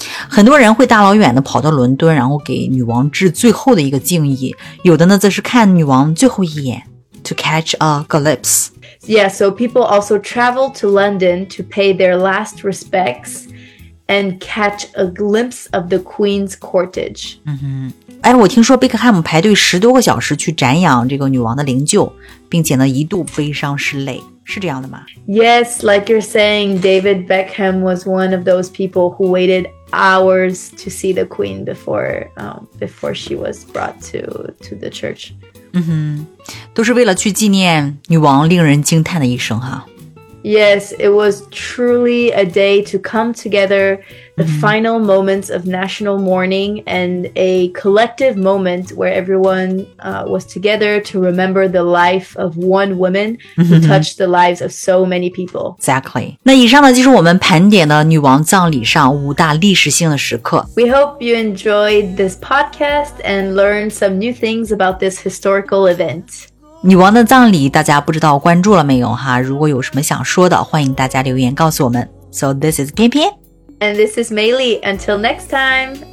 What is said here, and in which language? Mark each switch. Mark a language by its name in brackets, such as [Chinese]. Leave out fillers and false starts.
[Chinese] 很多人会大老远的跑到伦敦，然后给女王致最后的一个敬意。有的呢，则是看女王最后一眼 ， to catch a glimpse. [English] Yeah, so people also traveled to London to pay their last respects and catch a glimpse of the Queen's cortege. [Chinese] 哎，我听说贝克汉姆排队10多个小时去瞻仰这个女王的灵柩，并且呢一度悲伤失泪，是这样的吗 [English] ？Yes, like you're saying, David Beckham was one of those people who waited hours to see the Queen before she was brought to the church. [Chinese] 都是为了去纪念女王令人惊叹的一生哈。 [English] Yes, it was truly a day to come together, the final moments of national mourning, and a collective moment where everyone, was together to remember the life of one woman who touched the lives of so many people. Exactly. [Chinese] 那以上呢，就是我们盘点的女王葬礼上五大历史性的时刻。 [English] We hope you enjoyed this podcast and learned some new things about this historical event. [Chinese] 女王的葬礼，大家不知道关注了没有哈？如果有什么想说的，欢迎大家留言告诉我们。 [English] So this is 翩翩 and this is Mei Li. Until next time,